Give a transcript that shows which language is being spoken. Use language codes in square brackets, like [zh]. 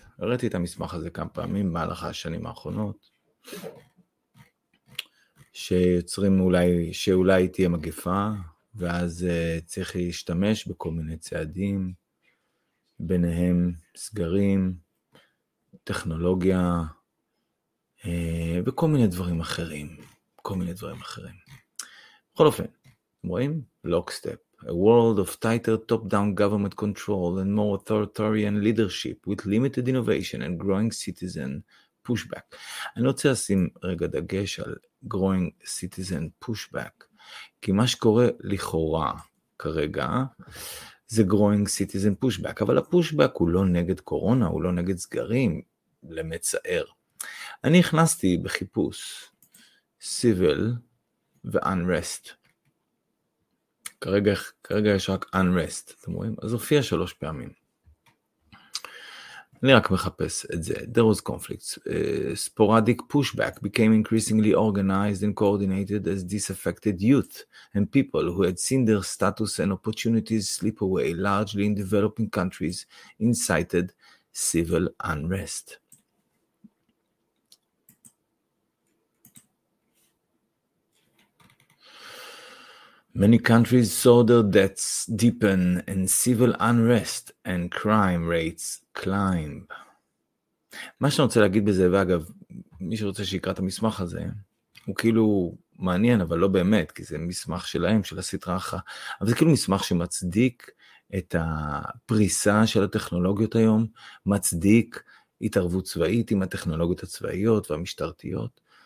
[he] הראיתי את המסמך הזה כמה פעמים, במהלך השנים האחרונות, שיוצרים אולי, שאולי תהיה מגפה, ואז צריך להשתמש בכל מיני צעדים, ביניהם סגרים, טכנולוגיה וכל מיני דברים אחרים. בכל אופן, רואים? Lockstep. [en] A world of tighter top-down government control and more authoritarian leadership with limited innovation and growing citizen pushback. [he] אני רוצה לשים רגע דגש על [en] growing citizen pushback, [he] כי מה שקורה לכאורה כרגע זה growing citizen pushback, אבל הפושבק הוא לא נגד קורונה, הוא לא נגד סגרים, למצער. אני הכנסתי בחיפוש civil ו-unrest. כרגע יש רק unrest, אתם רואים? אז הופיע שלוש פעמים. אני רק מחפש את זה. [en] There was conflicts. Sporadic pushback became increasingly organized and coordinated as disaffected youth and people who had seen their status and opportunities slip away largely in developing countries incited civil unrest. Many countries saw their debts deepen and civil unrest and crime rates climb. [he] מה שאני רוצה להגיד בזה, ואגב, מי שרוצה שיקרא את המסמך הזה, הוא כאילו מעניין, אבל לא באמת, כי זה מסמך שלהם, של הסטראחה, אבל זה כאילו מסמך שמצדיק את הפריסה של הטכנולוגיות היום, מצדיק התערבות צבאית עם הטכנולוגיות הצבאיות והמשטרתיות,